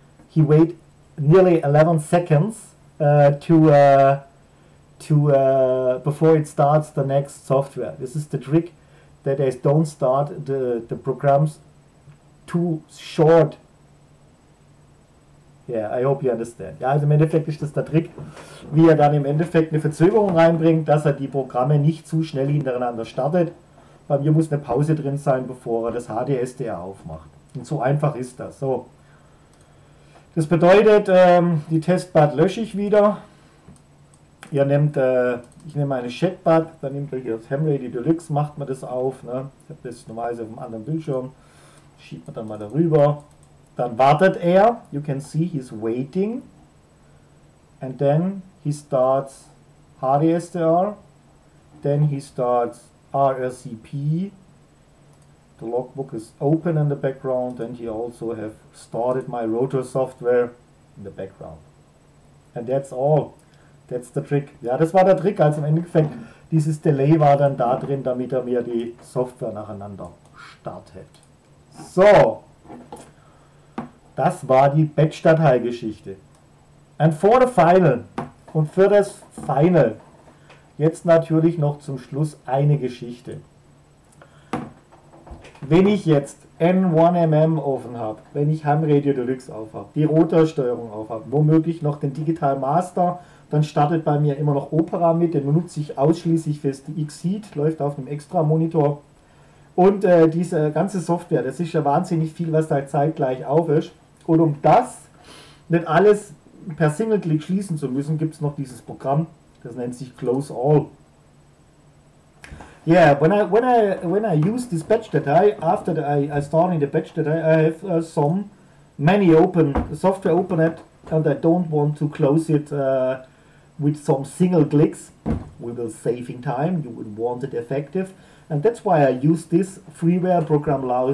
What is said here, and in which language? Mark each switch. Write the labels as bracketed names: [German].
[English] He wait nearly 11 seconds before it starts the next software. This is the trick that they don't start the programs too short. Yeah, I hope you understand. [German] Ja, also im Endeffekt ist das der Trick, wie er dann im Endeffekt eine Verzögerung reinbringt, dass er die Programme nicht zu schnell hintereinander startet. Bei mir muss eine Pause drin sein, bevor er das HDSDR aufmacht. Und so einfach ist das. So. Das bedeutet, die Testbud lösche ich wieder. Ihr nehmt, ich nehme eine Chatbud, dann nehmt ihr hier das Ham Radio Deluxe, macht man das auf. Ne? Ich habe das normalerweise auf einem anderen Bildschirm. Schiebt man dann mal darüber. Dann wartet er. [English] You can see he's waiting. And then he starts HDSDR. Then he starts RSCP. The logbook is open in the background, and he also have started my rotor software in the background. And that's all. That's the trick. [German] Ja, das war der Trick. Also im Endeffekt, dieses Delay war dann da drin, damit er mir die Software nacheinander startet. So. Das war die Batch-Datei-Geschichte. [English] And for the final. [German] Und für das Final. Jetzt natürlich noch zum Schluss eine Geschichte. Wenn ich jetzt N1MM offen habe, wenn ich Ham Radio Deluxe auf habe, die Rotorsteuerung auf habe, womöglich noch den Digital Master, dann startet bei mir immer noch Opera mit. Den nutze ich ausschließlich fürs X-Heat, läuft auf einem Extra-Monitor. Und diese ganze Software, das ist ja wahnsinnig viel, was da zeitgleich auf ist. Und um das nicht alles per Single-Click schließen zu müssen, gibt es noch dieses Programm. Das nennt sich Close All. [English] Yeah, when I use this batch datei, after the, I start in the batch datei, I have some many open software open it, and I don't want to close it with some single clicks. We will saving time. You would want it effective, and that's why I use this freeware program.